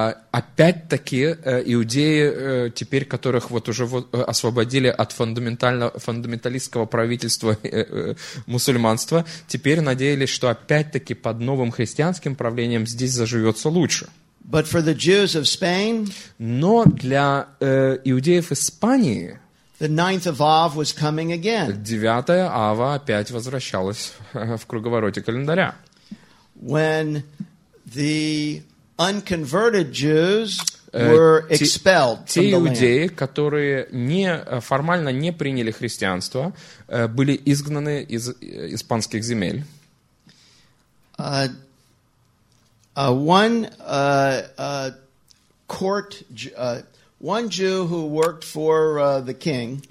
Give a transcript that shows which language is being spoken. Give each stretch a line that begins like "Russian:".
Russian: Опять-таки, иудеи, теперь которых вот уже освободили от фундаменталистского правительства мусульманства, теперь надеялись, что опять-таки под новым христианским правлением здесь заживется лучше.
English: But for the Jews of Spain,
Russian: но для иудеев Испании,
English: the ninth of Av was coming again.
Russian: Девятая Ава опять возвращалась в круговороте календаря.
English: When the unconverted Jews were expelled from the land.
Russian: Те иудеи, которые не, формально не приняли христианство, были изгнаны из испанских земель.
English: One Jew who worked for the king.